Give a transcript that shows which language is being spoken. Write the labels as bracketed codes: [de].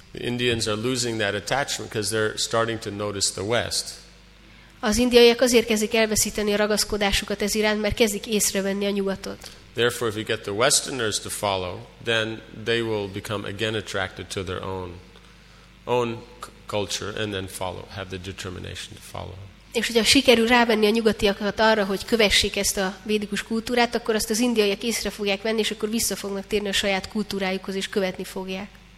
[en] The Indians are losing that attachment because they're starting to notice the West. [hu] Az indiaiak azért kezdik elveszíteni a ragaszkodásukat ez iránt, mert kezdik észrevenni a nyugatot. [en] Therefore, if you get the Westerners to follow, then they will become again attracted to their own culture, and then follow, have the determination to follow. [hu] És hogyha sikerül rávenni a nyugatiakat arra, hogy kövessék ezt a védikus kultúrát, akkor azt az indiaiak észre fogják venni, és akkor vissza fognak térni a saját kultúrájukhoz, és követni fogják.